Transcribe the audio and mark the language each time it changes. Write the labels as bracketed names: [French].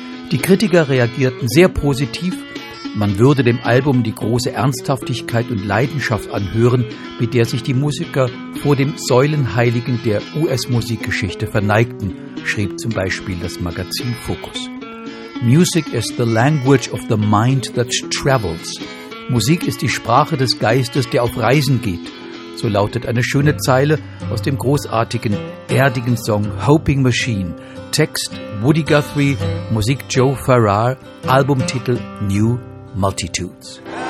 [German] Die Kritiker reagierten sehr positiv. Man würde dem Album die große Ernsthaftigkeit und Leidenschaft anhören, mit der sich die Musiker vor dem Säulenheiligen der US-Musikgeschichte verneigten, schrieb zum Beispiel das Magazin Focus. [English] Music is the language of the mind that travels. [German] Musik ist die Sprache des Geistes, der auf Reisen geht. So lautet eine schöne Zeile aus dem großartigen, erdigen Song Hoping Machine. Text Woody Guthrie, Musik Joe Farrar, Albumtitel New Multitudes.